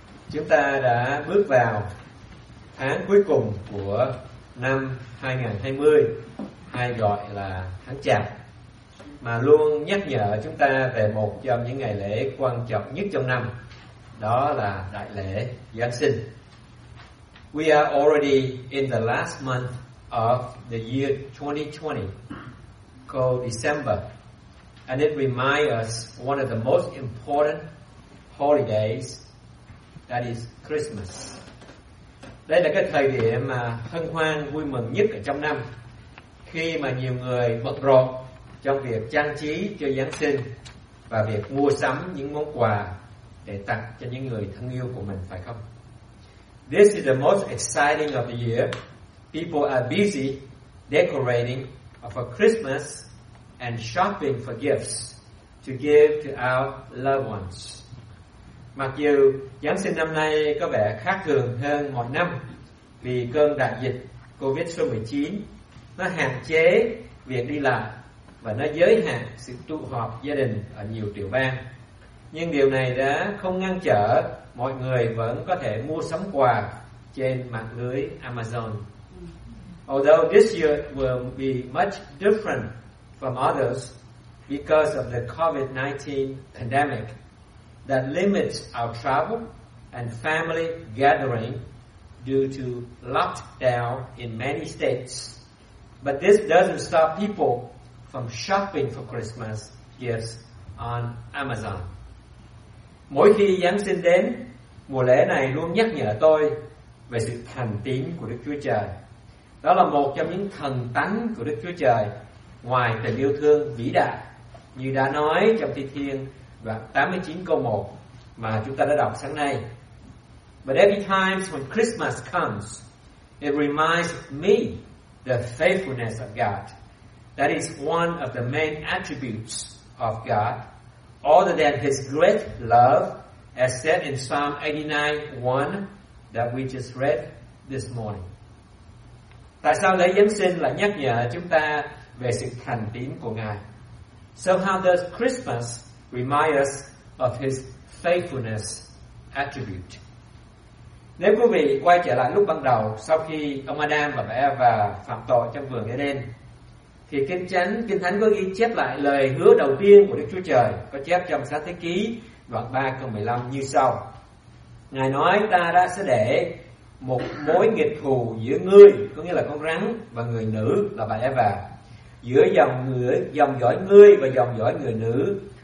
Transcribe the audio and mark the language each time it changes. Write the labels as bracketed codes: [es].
[vi] Chúng ta đã bước vào tháng cuối cùng của năm 2020, hay gọi là tháng chạp, mà luôn nhắc nhở chúng ta về một trong những ngày lễ quan trọng nhất trong năm, đó là đại lễ Giáng sinh. [en] We are already in the last month of the year 2020, called December, and it reminds us one of the most important holidays, that is Christmas. [vi] Đây là cái thời điểm mà hân hoan vui mừng nhất ở trong năm, khi mà nhiều người bận rộn trong việc trang trí cho Giáng sinh và việc mua sắm những món quà để tặng cho những người thân yêu của mình, phải không? [en] This is the most exciting of the year. People are busy decorating for Christmas and shopping for gifts to give to our loved ones. [vi] Mặc dù Giáng sinh năm nay có vẻ khác thường hơn mọi năm vì cơn đại dịch COVID-19, nó hạn chế việc đi lại và nó giới hạn sự tụ họp gia đình ở nhiều tiểu bang, nhưng điều này đã không ngăn trở mọi người vẫn có thể mua sắm quà trên mạng lưới Amazon. [en] Although this year will be much different from others because of the COVID-19 pandemic that limits our travel and family gathering due to lockdown in many states. But this doesn't stop people from shopping for Christmas gifts on Amazon. [vi] Mỗi khi Giáng sinh đến, mùa lễ này luôn nhắc nhở tôi về sự thành tín của Đức Chúa Trời. Đó là một trong những thần tánh của Đức Chúa Trời, ngoài tình yêu thương vĩ đại như đã nói trong Thi Thiên đoạn 89 câu 1 mà chúng ta đã đọc sáng nay. [en] But every time when Christmas comes, it reminds me the faithfulness of God. That is one of the main attributes of God, other than His great love, as said in Psalm 89:1 that we just read this morning. [vi] Tại sao lễ Giáng sinh lại nhắc nhở chúng ta về sự thành tín của Ngài? [en] So how does Christmas remind us of His faithfulness attribute? [vi] Nếu quý vị quay trở lại lúc ban đầu, sau khi ông Adam và bà Eva phạm tội trong vườn Eden, thì Kinh Thánh có ghi chép lại lời hứa đầu tiên của Đức Chúa Trời, có chép trong Sáng Thế Ký đoạn 3 câu 15 như sau: Ngài nói, ta đã sẽ để một mối nghịch thù giữa ngươi, có nghĩa là con rắn, và người nữ là bà Eva, giữa dòng dõi ngươi và dòng dõi người nữ.